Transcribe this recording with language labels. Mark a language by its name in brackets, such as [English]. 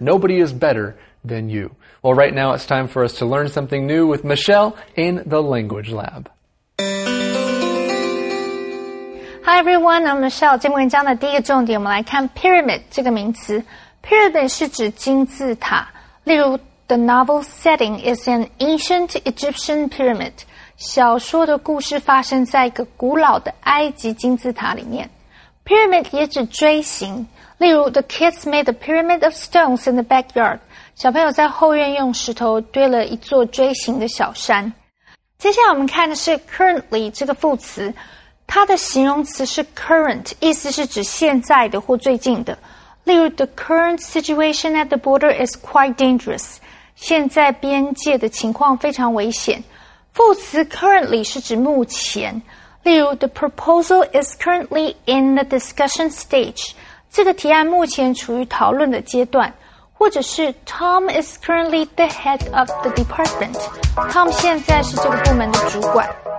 [English] Nobody is better than you. Well, right now it's time for us to learn something new with Michelle in the Language Lab. Hi, everyone. I'm Michelle. [Chinese] 今天文章的第一个重点，我们来看 pyramid 这个名词。 Pyramid 是指金字塔。例如 [English] ,the novel setting is an ancient Egyptian pyramid. [Chinese] 小说的故事发生在一个古老的埃及金字塔里面。 Pyramid 也指锥形。例如 [English] ,the kids made a pyramid of stones in the backyard. [Chinese] 小朋友在后院用石头堆了一座锥形的小山。接下来我们看的是 currently 这个副词，它的形容词是 current， 意思是指现在的或最近的。例如 [English] ，the current situation at the border is quite dangerous。 [Chinese] 现在边界的情况非常危险。副词 currently 是指目前。例如 [English] ，the proposal is currently in the discussion stage。 [Chinese] 这个提案目前处于讨论的阶段。或者是 [English] Tom is currently the head of the department. [Chinese] Tom 现在是这个部门的主管。